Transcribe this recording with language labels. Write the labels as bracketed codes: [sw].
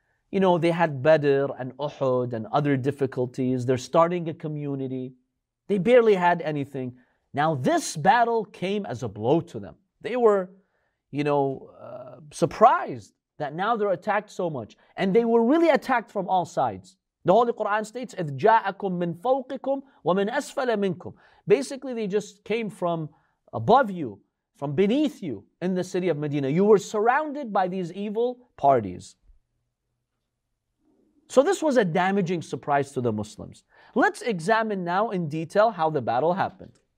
[en] You know, they had Badr and Uhud and other difficulties. They're starting a community. They barely had anything. Now, this battle came as a blow to them. They were, you know, surprised that now they're attacked so much. And they were really attacked from all sides. The Holy Quran states, [ar] إِذْ جَاءَكُمْ مِنْ فَوْقِكُمْ وَمِنْ أَسْفَلَ مِنْكُمْ. [en] Basically, they just came from above you, from beneath you in the city of Medina. You were surrounded by these evil parties. So this was a damaging surprise to the Muslims. Let's examine now in detail how the battle happened.